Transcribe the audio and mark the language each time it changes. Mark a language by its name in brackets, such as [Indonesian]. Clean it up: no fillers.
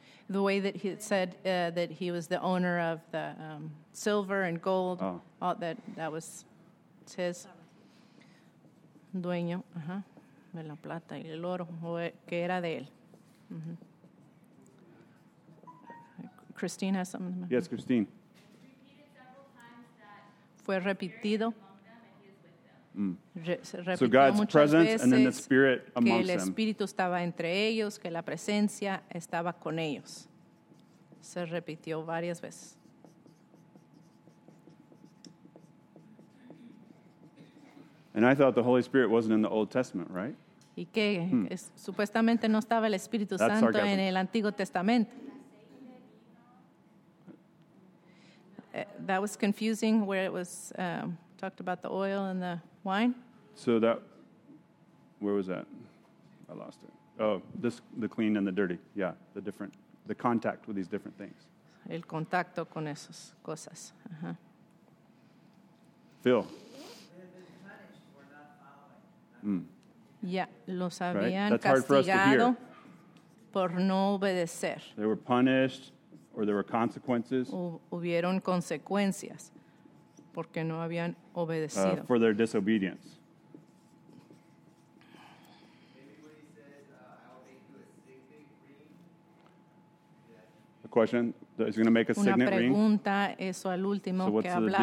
[English] The way that he said that he was the owner of the silver and gold, oh. All that was his. [Spanish] Dueño, ajá, de la plata y el oro, que era de él. [English] Christine has something. Yes, Christine. [Spanish] Fue repetido. [English] So God's presence and then the Spirit amongst them. [Spanish] Que el Espíritu estaba entre ellos, que la presencia estaba con ellos. Se repitió varias veces. [English] And I thought the Holy Spirit wasn't in the Old Testament, right? [Spanish] Y que supuestamente no estaba el Espíritu Santo en el Antiguo Testamento. [English] That was confusing where it was talked about the oil and the wine. So that, where was that? I lost it. Oh, this, the clean and the dirty. Yeah, the different, the contact with these different things. [Spanish] El contacto con esas cosas. [English] Phil. [Spanish] Ya, los habían castigado por no obedecer. [English] They were punished. Or there were consequences. [Spanish] Hubieron consecuencias porque no habían obedecido. [English] For their disobedience. Maybe when he says, I'll make you a signet ring. A question? He's going to make a signet ring? [Spanish] Una pregunta, eso al último que hablaba sobre este.